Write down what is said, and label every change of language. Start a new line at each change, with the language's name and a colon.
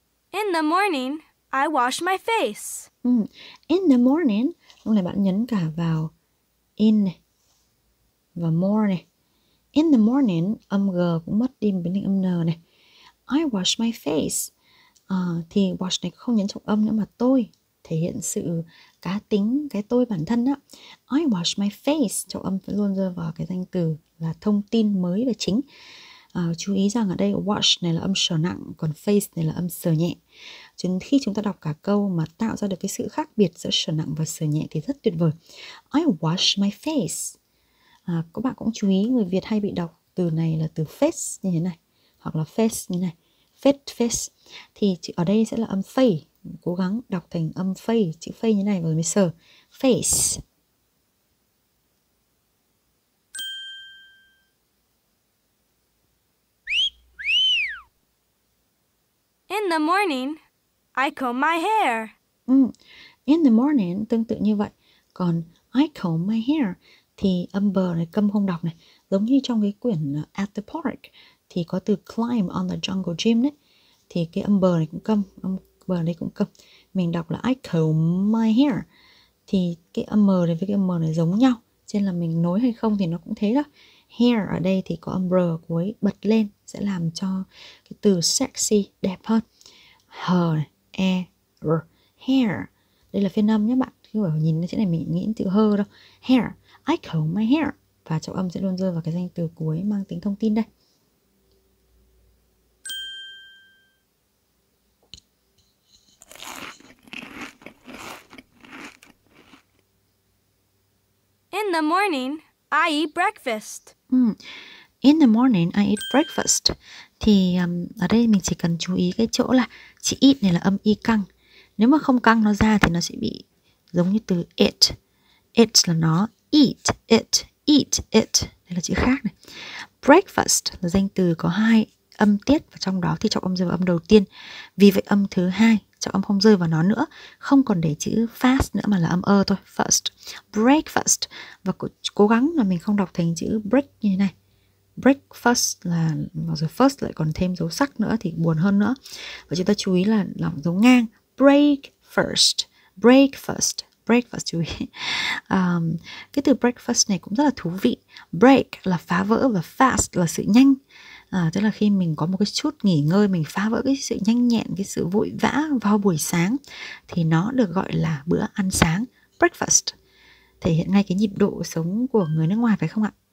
English: In the morning, I wash my face. In the morning,
Vietnamese: lúc này bạn nhấn cả vào in này và more này.
English: In the morning,
Vietnamese: âm g cũng mất đi biến thành âm n này.
English: I wash my face.
Vietnamese: Thì wash này không nhấn trọng âm nữa mà tôi, thể hiện sự cá tính, cái tôi bản thân đó.
English: I wash my face.
Vietnamese: Trọng âm luôn rơi vào cái danh từ là thông tin mới và chính. Chú ý rằng ở đây wash này là âm sờ nặng, còn face này là âm sờ nhẹ. Chứ khi chúng ta đọc cả câu mà tạo ra được cái sự khác biệt giữa sờ nặng và sờ nhẹ thì rất tuyệt vời.
English: I wash my face.
Vietnamese: Các bạn cũng chú ý người Việt hay bị đọc từ này là từ face như thế này, hoặc là face như này, face face. Thì chữ ở đây sẽ là âm face, cố gắng đọc thành âm face, chữ face như này rồi mới sờ face.
English: In the morning, I comb my hair. In the morning
Vietnamese: tương tự như vậy, còn
English: I comb my hair
Vietnamese: thì âm bờ này câm không đọc này, giống như trong cái quyển At the Park thì có từ
English: climb on the jungle gym
Vietnamese: đấy, thì cái âm bờ này cũng câm, âm bờ này cũng câm, mình đọc là
English: I comb my hair.
Vietnamese: Thì cái âm m này với cái âm m này giống nhau, cho nên là mình nối hay không thì nó cũng thế đó. Hair ở đây thì có âm r cuối bật lên sẽ làm cho cái từ sexy đẹp hơn. H e r hair. Đây là phiên âm nhé bạn. Khi mà nhìn cái chữ này mình nghĩ đến từ hơ đâu.
English: Hair. I comb my hair.
Vietnamese: Và trọng âm sẽ luôn rơi vào cái danh từ cuối mang tính thông tin đây.
English: In the morning, I eat breakfast. In the morning, I eat breakfast.
Vietnamese: Thì ở đây mình chỉ cần chú ý cái chỗ là chữ eat này là âm y căng. Nếu mà không căng nó ra thì nó sẽ bị giống như từ it. It là nó. Eat, it, eat, it. Đây là chữ khác này. Breakfast là danh từ có hai âm tiết và trong đó thì trọng âm rơi vào âm đầu tiên. Vì vậy âm thứ hai, trọng âm không rơi vào nó nữa. Không còn để chữ fast nữa mà là âm ơ thôi. First, breakfast. Và cố gắng là mình không đọc thành chữ break như thế này. Breakfast là, và rồi first lại còn thêm dấu sắc nữa thì buồn hơn nữa. Và chúng ta chú ý là lỏng dấu ngang.
English: Breakfast, breakfast, breakfast,
Vietnamese: chú ý. Cái từ breakfast này cũng rất là thú vị. Break là phá vỡ và fast là sự nhanh. Tức là khi mình có một cái chút nghỉ ngơi, mình phá vỡ cái sự nhanh nhẹn, cái sự vội vã vào buổi sáng thì nó được gọi là bữa ăn sáng, breakfast. Thể hiện ngay cái nhịp độ sống của người nước ngoài phải không ạ?